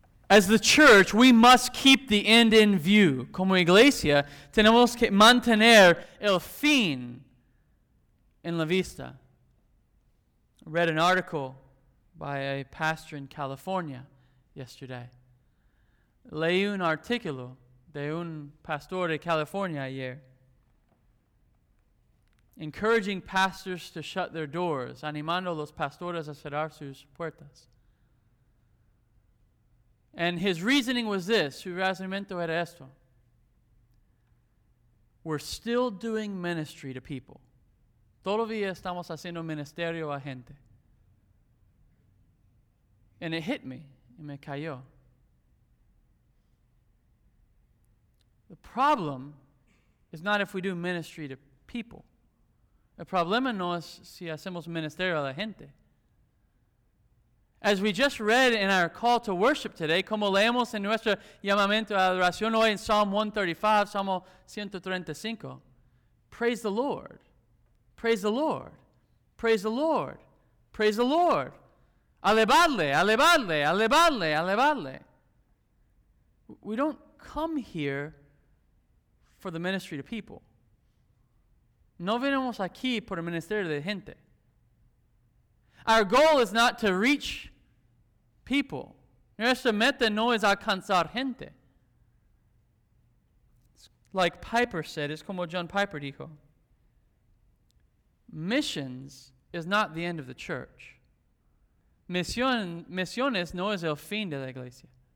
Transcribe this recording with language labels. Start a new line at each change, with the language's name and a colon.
English: As the church, we must keep the end in view.
Spanish: Como iglesia, tenemos que mantener el fin en la vista.
English: I read an article by a pastor in California yesterday.
Spanish: Leí un artículo de un pastor de California ayer,
English: encouraging pastors to shut their doors,
Spanish: animando los pastores a cerrar sus puertas.
English: And his reasoning was this,
Spanish: su razonamiento era esto.
English: We're still doing ministry to people.
Spanish: Todavía estamos haciendo ministerio a gente.
English: And it hit me,
Spanish: y me cayó.
English: The problem is not if we do ministry to people.
Spanish: El problema no es si hacemos ministerio a la gente.
English: As we just read in our call to worship today,
Spanish: como leemos en nuestro llamamiento a adoración hoy
English: in Psalm 135, Psalm 135, praise the Lord, praise the Lord, praise the Lord, praise the Lord.
Spanish: Alabadle, alabadle, alabadle, alabadle.
English: We don't come here for the ministry to people.
Spanish: No venimos aquí por el ministerio de gente.
English: Our goal is not to reach people.
Spanish: Nuestra meta no es alcanzar gente.
English: Like Piper said, it's
Spanish: como John Piper dijo.
English: Missions is not the end of the church.
Spanish: Misiones no es el fin de la iglesia.